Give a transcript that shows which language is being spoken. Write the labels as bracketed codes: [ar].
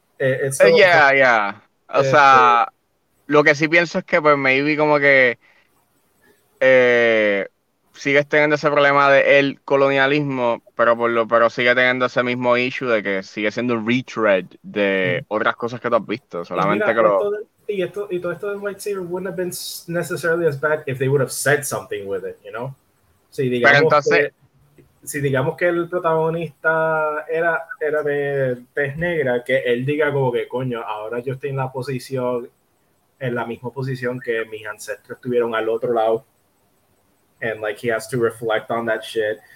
[es] O sea, lo que sí pienso es que pues maybe como que sigues teniendo ese problema de el colonialismo, pero sigue teniendo ese mismo issue de que sigue siendo un retread de otras cosas que tú has visto, solamente que lo... Y todo esto de [en] White Savior wouldn't have been necessarily as bad if they would have said something with it, you know? [es] Si digamos que el protagonista era de tez negra, que él diga como que, coño, ahora yo estoy en la misma posición que mis ancestros estuvieron al otro lado. [en] And like he has to reflect on that shit.